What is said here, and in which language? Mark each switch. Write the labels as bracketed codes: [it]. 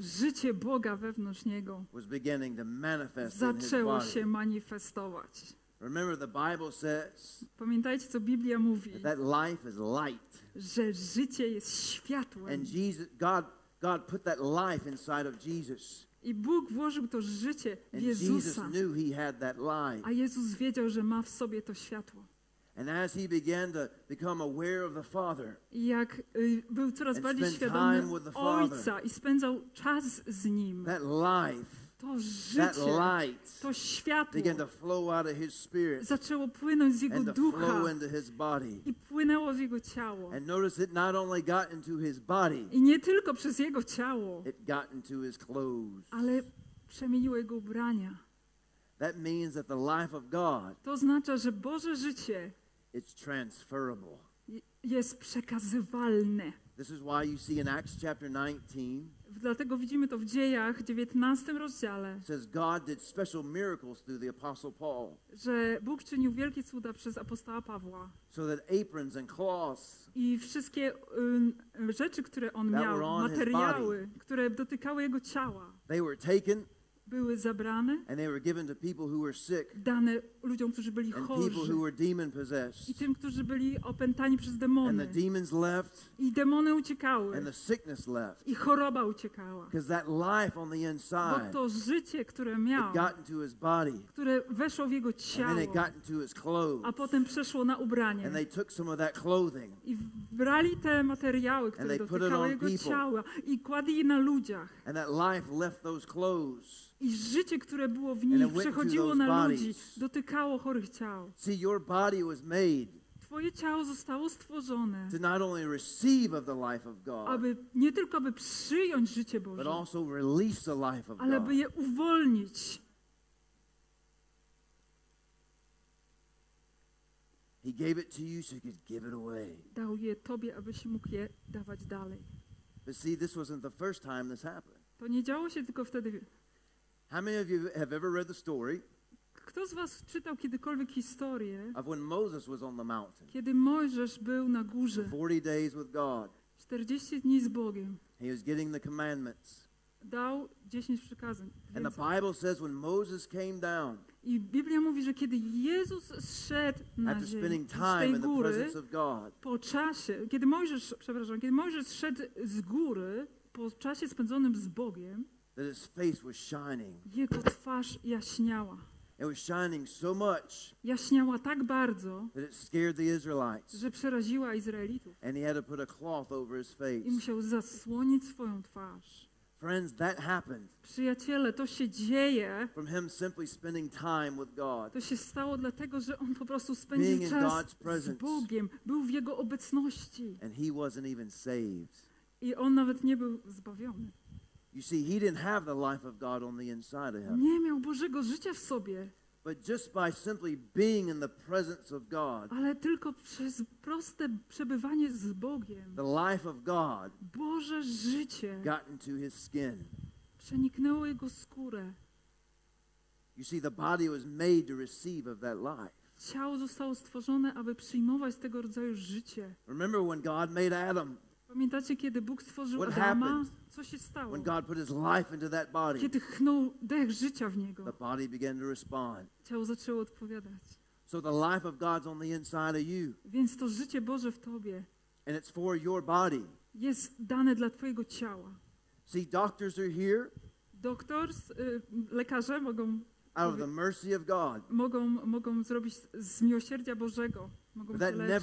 [pl] Życie Boga wewnątrz niego. [en] Was beginning to manifest. [pl] Zaczęło się manifestować. [en] Remember the Bible says. [pl] Pamiętajcie, co Biblia mówi. [en] That life is light. [pl] Że życie jest światłem. [en] And Jesus, God put that life inside of Jesus. [pl] I Bóg włożył to życie w [en] and [pl] Jezusa. [en] Jesus knew he had that life. [pl] A Jezus wiedział, że ma w sobie to światło. [en] And as he began to become aware of the Father, [pl] jak był coraz bardziej świadomy Ojca i spędzał czas z Nim, [en] that life, [pl] to życie, [en] that light, [pl] to światło [en] began to flow out of his spirit, [pl] zaczęło płynąć z Jego [en] and [pl] ducha [en] to flow into his body. [pl] I płynęło w Jego ciało. [en] And notice it not only got into his body, [pl] i nie tylko przez Jego ciało, [en] it got into his clothes. [pl] Ale przemieniło Jego ubrania. [en] That means that the life of God, [pl] to oznacza, że Boże życie, [en] it's transferable. [pl] Jest przekazywalne. [en] This is why you see in Acts chapter 19. [pl] Dlatego widzimy to w Dziejach 19 rozdziale. [en] Says God did special miracles through the apostle Paul. [pl] Że Bóg czynił wielkie cuda przez apostoła Pawła. [en] So that aprons and cloths, [pl] i wszystkie rzeczy, które on miał, materiały, które dotykały jego ciała, [en] they were taken. [pl] Były zabrane, [en] and they were given to people who were sick, [pl] dane ludziom, którzy byli [en] and [pl] chorzy, [en] people who were demon possessed, [pl] i tym, którzy byli opętani przez demony, [en] and the demons left, [pl] i demony uciekały, [en] and the sickness left, [pl] i choroba uciekała, [en] because that life on the inside, [pl] bo to życie, które miał, [en] it got into his body, [pl] które weszło w jego ciało, [en] and then it got into his clothes, [pl] a potem przeszło na ubranie, [en] and they took some of that clothing, [pl] i brali te materiały, które [en] and they [pl] dotykały [en] put it on [pl] jego [en] people, [pl] ciała, i kładli je na ludziach, [en] and that life left those clothes. [pl] I życie, które było w nich, przechodziło na ludzi, dotykało chorych ciał. [en] See, your body was made. [pl] Twoje ciało zostało stworzone, [en] to not only receive of the life of God, [pl] aby nie tylko aby przyjąć życie Boże, [en] but also release the life of [pl] ale [en] God, [pl] by je uwolnić. [en] He gave it to you so you could give it away. [pl] Dał je tobie, abyś mógł je dawać dalej. [en] But see, this wasn't the first time this happened. [pl] To nie działo się tylko wtedy. [en] How many of you have ever read the story? [pl] Kto z was czytał kiedykolwiek historię? [en] Of when Moses was on the mountain. [pl] Kiedy Mojżesz był na górze. [en] 40 days with God. [pl] 40 dni z Bogiem. [en] He was getting the commandments. [pl] Dał 10 przykazań. [en] And the Bible says when Moses came down. [pl] I Biblia mówi, że kiedy Jezus zszedł na ziemię, [en] after spending time [pl] z tej góry, [en] in the presence of God. [pl] Po czasie, kiedy Mojżesz zszedł z góry, po czasie spędzonym z Bogiem. [en] That his face was shining. [pl] Jego twarz jaśniała. [en] It was shining so much. [pl] Jaśniała tak bardzo. [en] That it scared the Israelites. [pl] Że przeraziła Izraelitów. [en] And he had to put a cloth over his face. [pl] I musiał zasłonić swoją twarz. [en] Friends, that happened. [pl] Przyjaciele, to się dzieje. [en] From him simply spending time with God. [pl] To się stało dlatego, że on po prostu spędził czas z Bogiem. Był w jego obecności. [en] And he wasn't even saved. [pl] I on nawet nie był zbawiony. [en] You see, he didn't have the life of God on the inside of him. [pl] Nie miał Bożego życia w sobie. [en] But just by simply being in the presence of God. [pl] Ale tylko przez proste przebywanie z Bogiem. [en] The life of God. [pl] Boże życie. [en] Got into his skin. [pl] Przeniknęło jego skórę. [en] You see, the body was made to receive of that life. [pl] Ciało zostało stworzone, aby przyjmować tego rodzaju życie. [en] Remember when God made Adam? [pl] Pamiętacie, kiedy Bóg stworzył [en] what [pl] Adama? [en] Happened? [pl] Co się stało? [en] When God put his life into that body, [pl] kiedy chnął dech życia w niego, [en] the body began to respond. [pl] Ciało zaczęło odpowiadać. [en] So the life of God's on the inside of you. [pl] Więc to życie Boże w tobie. [en] And it's for your body. [pl] Jest dane dla twojego ciała. [en] See, doctors are here. [pl] Doctors, lekarze mogą. [en] Out of the mercy of God. [pl] Mogą zrobić z miłosierdzia Bożego. Mogą [en] that [pl] wyleczyć.